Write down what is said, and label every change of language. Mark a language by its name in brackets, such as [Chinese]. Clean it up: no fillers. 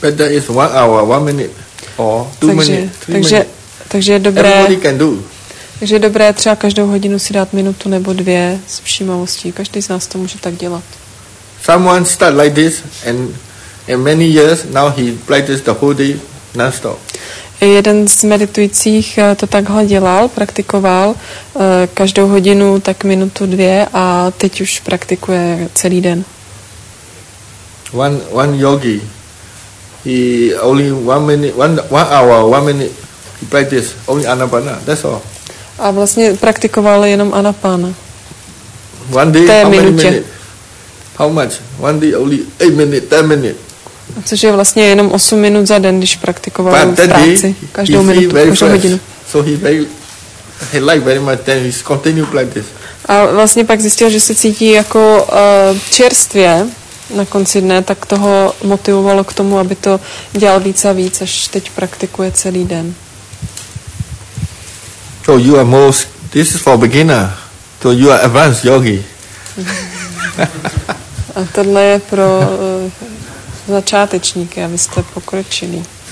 [English] But that is 1 hour, 1 minute, or 2 minutes, 3 minutes. [Czech] Takže je dobré. [English] Everybody can do. [Czech] Takže je dobré třeba každou hodinu si dát minutu nebo dvě s všímavostí. Každý z nás to může tak dělat. [English] Someone start like this and in many years now he practices the whole day non-stop. [Czech] Jeden z meditujících to takhle dělal, praktikoval každou hodinu tak minutu dvě a teď už praktikuje celý den. [English] One yogi, he only 1 minute, one hour, 1 minute, he practices only anapana, that's all. [Czech] A vlastně praktikoval jenom anapana. [English] One day, how minutě. Many minutes? How much? One day only 8 minutes, 10 minutes. [Czech] Což je vlastně jenom 8 minut za den, když praktikoval [English] but [Czech] v práci, každou minutu, každou [English] fresh [Czech] hodinu. [English] So he liked very much, then he continued like this. [Czech] A vlastně pak zjistil, že se cítí jako čerstvě na konci dne, tak toho motivovalo k tomu, aby to dělal víc a víc, až teď praktikuje celý den. [English] So you are most, this is for beginner, so you are advanced yogi. [Czech] A tohle je pro začátečníky, a vy jste pokročili.